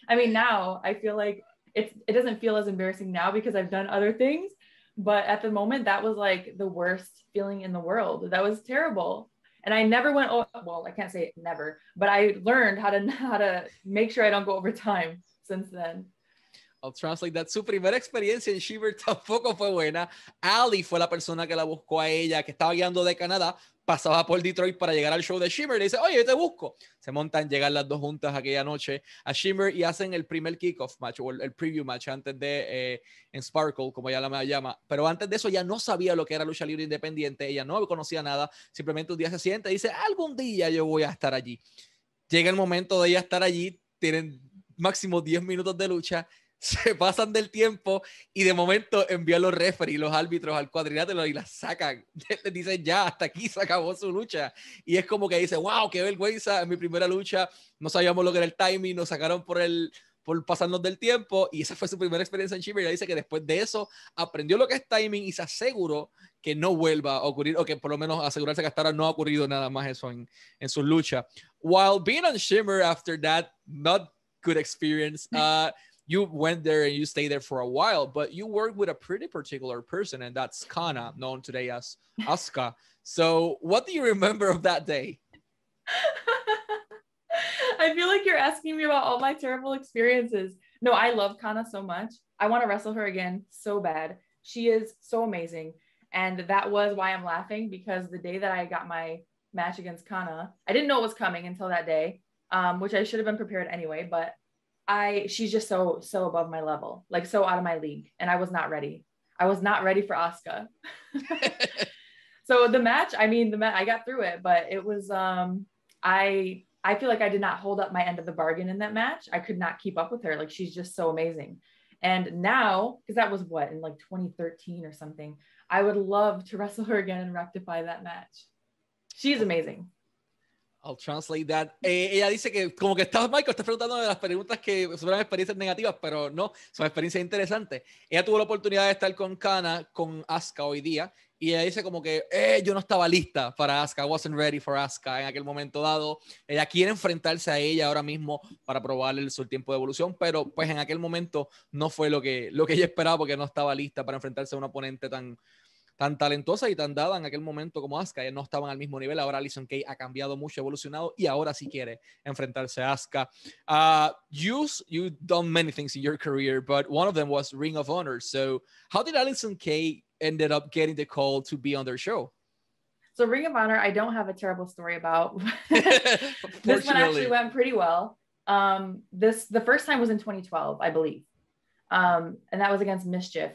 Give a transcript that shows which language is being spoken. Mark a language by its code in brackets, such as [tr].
[en] I mean, now I feel like it doesn't feel as embarrassing now because I've done other things. But at the moment, that was like the worst feeling in the world. That was terrible. And I never went, I can't say never, but I learned how to make sure I don't go over time since then. I'll translate that. [es] Su primera experiencia en Shiver tampoco fue buena. Allie fue la persona que la buscó a ella, que estaba guiando de Canadá. Pasaba por Detroit para llegar al show de Shimmer. Le dice, oye, yo te busco. Se montan, llegan las dos juntas aquella noche a Shimmer y hacen el primer kickoff match o el preview match antes de en Sparkle, como ella la llama. Pero antes de eso, ella no sabía lo que era lucha libre independiente. Ella no conocía nada. Simplemente un día se siente y dice, algún día yo voy a estar allí. Llega el momento de ella estar allí. Tienen máximo 10 minutos de lucha. Se pasan del tiempo y de momento envían los referees, los árbitros al cuadrilátero y las sacan. Les dicen, ya, hasta aquí se acabó su lucha. Y es como que dice, wow, qué vergüenza, en mi primera lucha no sabíamos lo que era el timing, nos sacaron por pasarnos del tiempo. Y esa fue su primera experiencia en Shimmer. Y le dice que después de eso aprendió lo que es timing y se aseguró que no vuelva a ocurrir, o que por lo menos asegurarse que hasta ahora no ha ocurrido nada más eso en su lucha. [en] While being on Shimmer after that, not good experience, you went there and you stayed there for a while, but you worked with a pretty particular person, and that's Kana, known today as Asuka. So what do you remember of that day? I feel like you're asking me about all my terrible experiences. No, I love Kana so much. I want to wrestle her again so bad. She is so amazing. And that was why I'm laughing, because the day that I got my match against Kana, I didn't know it was coming until that day, which I should have been prepared anyway, but she's just so, so above my level, like so out of my league. And I was not ready. I was not ready for Asuka. So the match, I got through it, but it was, I feel like I did not hold up my end of the bargain in that match. I could not keep up with her. Like, she's just so amazing. And now, cause that was what, in like 2013 or something, I would love to wrestle her again and rectify that match. She's amazing. I'll translate that. [es] Ella dice que como que estaba, Michael, está preguntando de las preguntas que sobre experiencias negativas, pero no, son experiencias interesantes. Ella tuvo la oportunidad de estar con Kana, con Asuka hoy día, y ella dice como que yo no estaba lista para Asuka, [en] I wasn't ready for Asuka [es] en aquel momento dado. Ella quiere enfrentarse a ella ahora mismo para probar su tiempo de evolución, pero pues en aquel momento no fue lo que ella esperaba, porque no estaba lista para enfrentarse a un oponente tan talentosa y tan dada en aquel momento como Asuka. Ya no estaban al mismo nivel. Ahora Allysin Kay ha cambiado mucho, evolucionado, y ahora sí quiere enfrentarse a Asuka. [en] You've done many things in your career, but one of them was Ring of Honor. So how did Allysin Kay ended up getting the call to be on their show? So Ring of Honor, I don't have a terrible story about. This one actually went pretty well. The first time was in 2012, I believe. And that was against Mischief.